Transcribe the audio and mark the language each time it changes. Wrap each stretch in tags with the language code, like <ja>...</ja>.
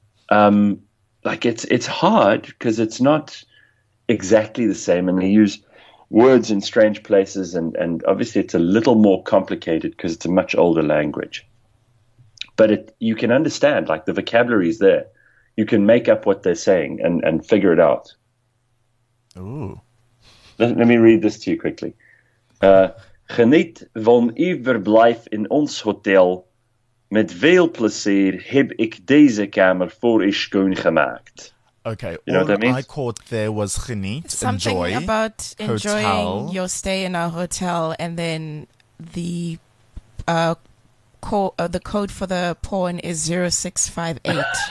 <en>Like it's hard because it's not exactly the same, and they use words in strange places, and obviously it's a little more complicated because it's a much older language. But you can understand, like the vocabulary is there. You can make up what they're saying and figure it out. Ooh. Let me read this to you quickly.</en> <nl>Geniet van uw verblijf in ons hotel. Met veel plezier heb ik deze kamer voor u schoongemaakt.</nl> <en>Okay, you know all I caught there was geniet, enjoy. Something about enjoying hotel. Your stay in our hotel and then the code for the porn is 0658.</en>